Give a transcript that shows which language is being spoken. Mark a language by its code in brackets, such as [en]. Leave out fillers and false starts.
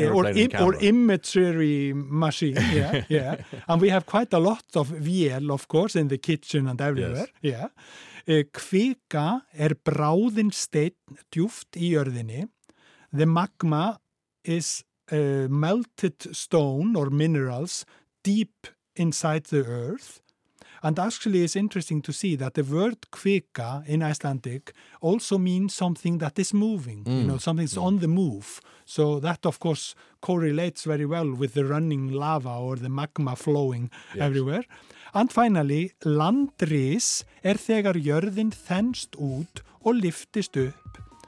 [en] Or imagery machine, And we have quite a lot of vél, of course, in the kitchen and everywhere. Yes. Yeah. [is] Kvika bráðin steinn djúft í jörðinni. [en] The magma is melted stone or minerals deep inside the earth. And actually it's interesting to see that the word kvika in Icelandic also means something that is moving, something's on the move. So that of course correlates very well with the running lava or the magma flowing everywhere. And finally, [is] landris þegar jörðin þenst út og lyftist upp.